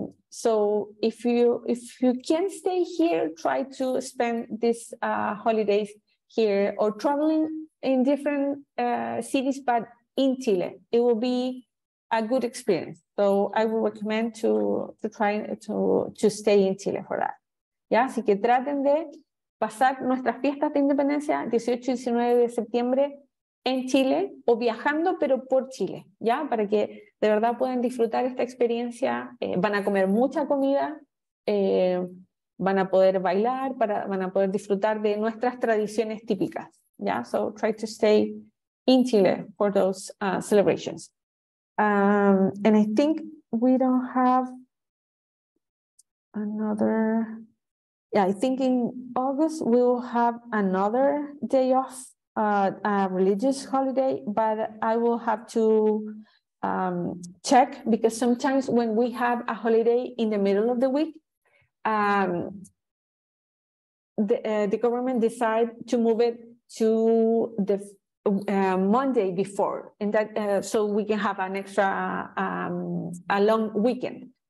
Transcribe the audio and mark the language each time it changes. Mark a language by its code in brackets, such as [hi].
[en] So if you can stay here, try to spend these holidays here or traveling in different cities, but in Chile. It will be a good experience. So I would recommend to try to stay in Chile for that. [es] ¿Ya? Así que traten de pasar nuestras fiestas de independencia 18 y 19 de septiembre en Chile o viajando, pero por Chile, ¿ya? Para que de verdad puedan disfrutar esta experiencia. Van a comer mucha comida, van a poder bailar, van a poder disfrutar de nuestras tradiciones típicas, ¿ya? [en] So try to stay in Chile for those celebrations. And I think we don't have another... Yeah, I think in August we will have another day off, a religious holiday, but I will have to check because sometimes when we have a holiday in the middle of the week, the government decide to move it to the Monday before, and that so we can have an extra a long weekend.